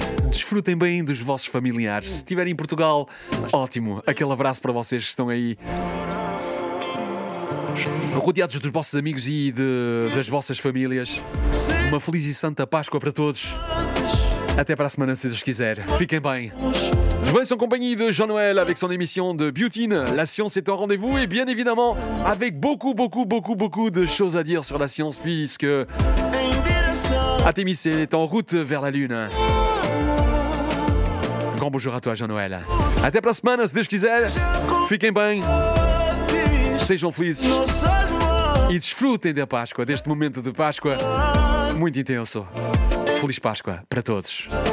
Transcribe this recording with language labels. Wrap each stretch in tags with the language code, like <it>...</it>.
<pt>Desfrutem bem dos vossos familiares. Se estiverem em Portugal, ótimo. Aquele abraço para vocês que estão aí rodeados dos vossos amigos e das vossas famílias. Uma feliz e santa Páscoa para todos. Até para a semana, se Deus quiser. Fiquem bem.</pt> <fr>Je vais en compagnie de Jean-Noël avec son émission de Beauty. La science est en rendez-vous et bien évidemment avec beaucoup, beaucoup, beaucoup, beaucoup de choses à dire sur la science puisque Artemis est en route vers la Lune. Un grand bonjour à toi Jean-Noël.</fr> <pt>Até para a semana, se Deus quiser. Fiquem bem. Sejam felizes. E desfrutem da Páscoa, deste momento de Páscoa muito intenso. Feliz Páscoa para todos.</pt>